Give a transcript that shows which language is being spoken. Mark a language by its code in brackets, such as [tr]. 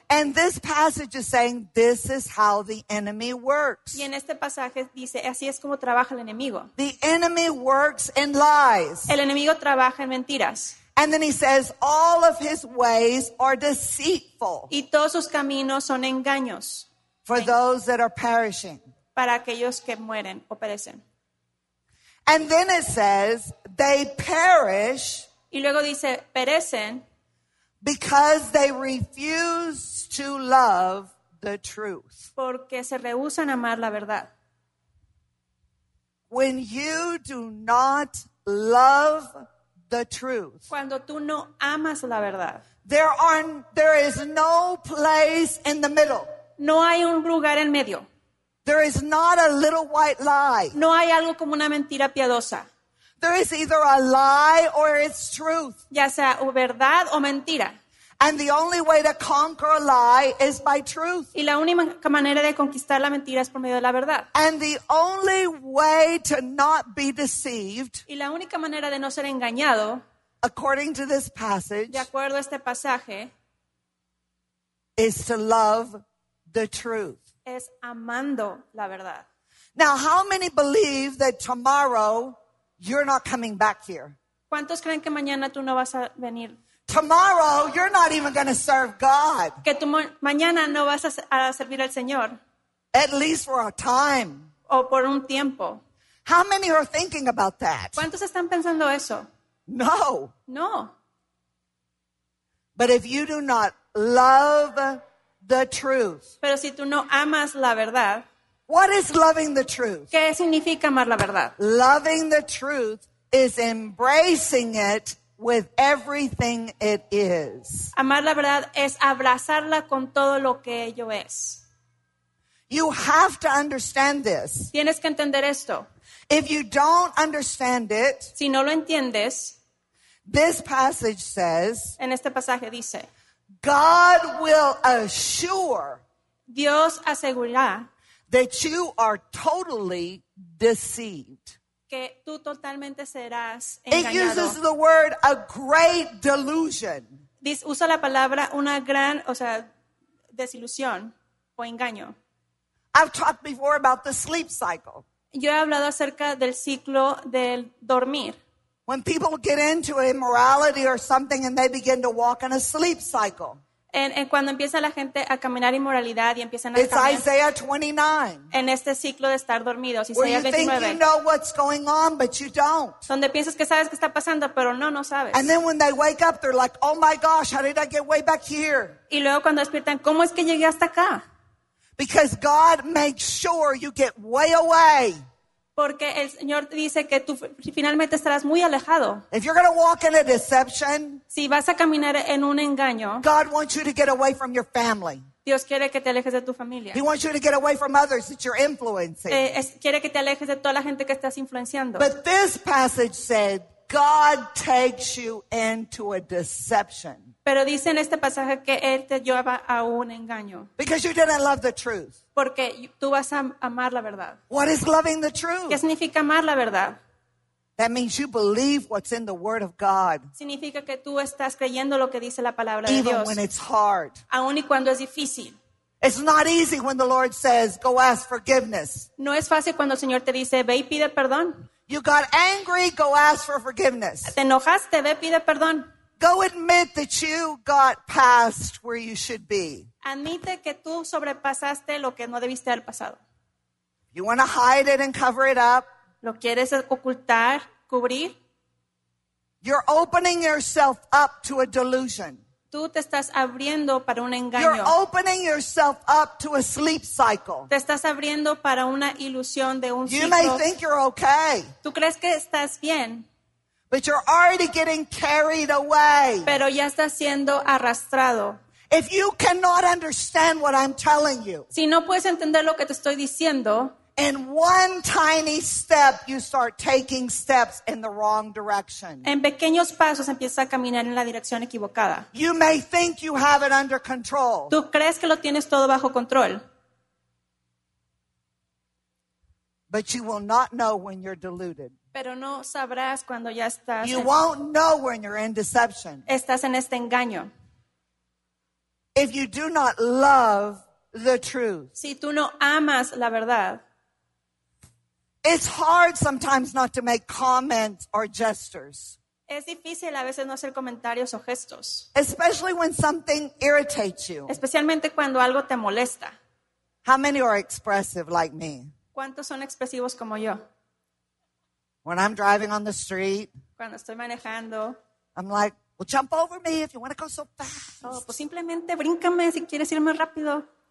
[en] And this passage is saying this is how the enemy works. [es] Y en este pasaje dice así es como trabaja el enemigo. [en] The enemy works in lies. [es] El enemigo trabaja en mentiras. [en] And then he says all of his ways are deceitful. [es] Y todos sus caminos son engaños. [en] For those that are perishing. [es] Para aquellos que mueren o perecen. [en] And then it says they perish. [es] Y luego dice, perecen. [en] Because they refuse to love the truth. [es] Porque se rehúsan a amar la verdad. [en] When you do not love the truth. [es] Cuando tú no amas la verdad. [en] There is no place in the middle. [es] No hay un lugar en medio. [en] There is not a little white lie. [es] No hay algo como una mentira piadosa. [en] There is either a lie or it's truth. [es] Ya sea o verdad o mentira. [en] And the only way to conquer a lie is by truth. [es] Y la única manera de conquistar la mentira es por medio de la verdad. [en] And the only way to not be deceived. [es] Y la única manera de no ser engañado. [en] According to this passage. [es] De acuerdo a este pasaje. [en] Is to love the truth. [es] Es amando la verdad. [en] Now, how many believe that tomorrow you're not coming back here? [es] ¿Cuántos creen que mañana tú no vas a venir? [en] Tomorrow, you're not even going to serve God. [es] Que tú mañana no vas a servir al Señor. [en] At least for a time. [es] O por un tiempo. [en] How many are thinking about that? [es] ¿Cuántos están pensando eso? [en] No. [es] No. [en] But if you do not love the truth. [es] Pero si tú no amas la verdad. [en] What is loving the truth? [es] ¿Qué significa amar la verdad? [en] Loving the truth is embracing it with everything it is. [es] Amar la verdad es abrazarla con todo lo que ello es. [en] You have to understand this. [es] Tienes que entender esto. [en] If you don't understand it, [es] si no lo entiendes, [en] this passage says, [es] en este pasaje dice, [en] God will assure, [es] Dios asegurará, [en] that you are totally deceived. [es] Que tú totalmente serás engañado. [en] It uses the word a great delusion. [es] Usa la palabra una gran, o sea, desilusión o engaño. [en] I've talked before about the sleep cycle. [es] Yo he hablado acerca del ciclo del dormir. [en] When people get into immorality or something and they begin to walk in a sleep cycle. [es] En cuando empieza la gente a caminar inmoralidad y empiezan a [en] It's [es] caminar. [en] Isaiah 29. [es] En este ciclo de estar dormidos, [en] Isaiah 29. Where you think you know what's going on, but you don't. [es] Donde piensas que sabes qué está pasando, pero no sabes. [en] And then when they wake up, they're like, "Oh my gosh, how did I get way back here?" [es] Y luego cuando despiertan, ¿cómo es que llegué hasta acá? [en] Because God makes sure you get way away. [es] Porque el Señor dice que tú finalmente estarás muy alejado. [en] If you're going to walk in a deception, [es] si vas a caminar en un engaño, [en] God wants you to get away from your family. [es] Dios quiere que te alejes de tu familia. [en] He wants you to get away from others that you're influencing. [es] Quiere que te alejes de toda la gente que estás influenciando. [en] But this passage said God takes you into a deception. [es] Pero dice en este pasaje que Él te lleva a un engaño. [en] Because you didn't love the truth. [es] Porque tú vas a amar la verdad. [en] What is loving the truth? [es] ¿Qué significa amar la verdad? [en] That means you believe what's in the Word of God. [es] Significa que tú estás creyendo lo que dice la palabra [en] Even [es] de Dios. [en] Even when it's hard. [es] Aun y cuando es difícil. [en] It's not easy when the Lord says, go ask forgiveness. [es] No es fácil cuando el Señor te dice, ve y pide perdón. [en] You got angry, go ask for forgiveness. [es] Te enojaste, ve y pide perdón. [en] Go admit that you got past where you should be. [es] Admite que tú sobrepasaste lo que no debiste haber pasado. [en] You want to hide it and cover it up. [es] Lo quieres ocultar, cubrir. [en] You're opening yourself up to a delusion. [es] Tú te estás abriendo para un engaño. [en] You're opening yourself up to a sleep cycle. [es] Te estás abriendo para una ilusión de un ciclo. [en] You may think you're okay. [es] Tú crees que estás bien. [en] But you're already getting carried away. [es] Pero ya está siendo arrastrado. [en] If you cannot understand what I'm telling you, [es] si no puedes entender lo que te estoy diciendo, [en] in one tiny step you start taking steps in the wrong direction. [es] En pequeños pasos empiezas a caminar en la dirección equivocada. [en] You may think you have it under control. [es] Tú crees que lo tienes todo bajo control. [en] But you will not know when you're deluded. [es] Pero no sabrás cuando ya estás. [en] You won't know when you're in deception. [es] Estás en este engaño. [en] If you do not love the truth. [es] Si tú no amas la verdad. [en] It's hard sometimes not to make comments or gestures. [es] Es difícil a veces no hacer comentarios o gestos. [en] Especially when something irritates you. [es] Especialmente cuando algo te molesta. [en] How many are expressive like me? [es] ¿Cuántos son expresivos como yo? [en] When I'm driving on the street, [es] cuando estoy manejando, [en] I'm like, well, jump over me if you want to go so fast. [es] Pues simplemente bríncame si quieres ir más rápido.